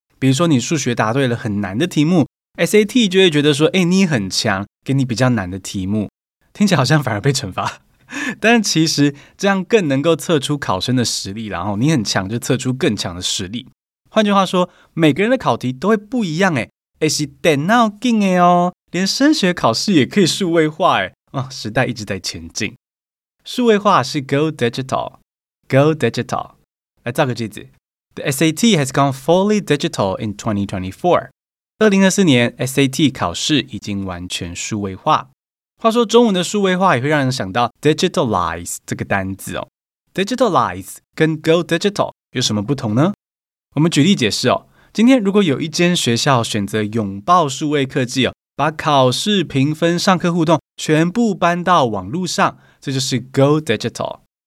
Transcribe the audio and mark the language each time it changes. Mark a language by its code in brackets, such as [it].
[zh] 比如说你数学答对了很难的题目， SAT 就会觉得说，哎，你很强，给你比较难的题目，听起来好像反而被惩罚。但其实这样更能够测出考生的实力，然后你很强就测出更强的实力。换句话说，每个人的考题都会不一样，哎，也是电脑进的哦，连升学考试也可以数位化，哎，哦，时代一直在前进。数位化是 go digital， go digital。 [en] 来造个句子 ：The SAT has gone fully digital in 2024。 [zh] 2024年 SAT 考试已经完全数位化。话说中文的数位化也会让人想到 digitalize 这个单字哦。 digitalize 跟 go digital 有什么不同呢？我们举例解释哦。今天如果有一间学校选择拥抱数位科技哦，把考试评分上课互动全部搬到网路上，这就是 go digital。